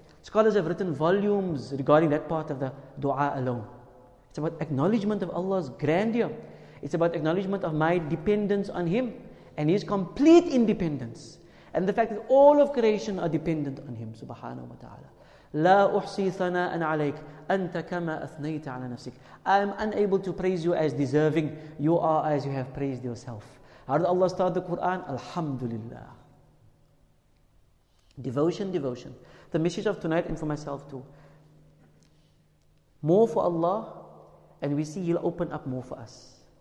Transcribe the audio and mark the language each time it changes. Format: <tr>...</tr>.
<en>Scholars have written volumes regarding that part of the dua alone. It's about acknowledgement of Allah's grandeur. It's about acknowledgement of my dependence on Him and His complete independence. And the fact that all of creation are dependent on Him, subhanahu wa ta'ala.</en> <ar>لا أحصي ثناء عليك أنت كما أثنيت على نفسك.</ar> <en>I am unable to praise you as deserving. You are as you have praised yourself. How did Allah start the Quran? Alhamdulillah. Devotion, devotion. The message of tonight and for myself too. More for Allah, and we see He'll open up more for us.</en>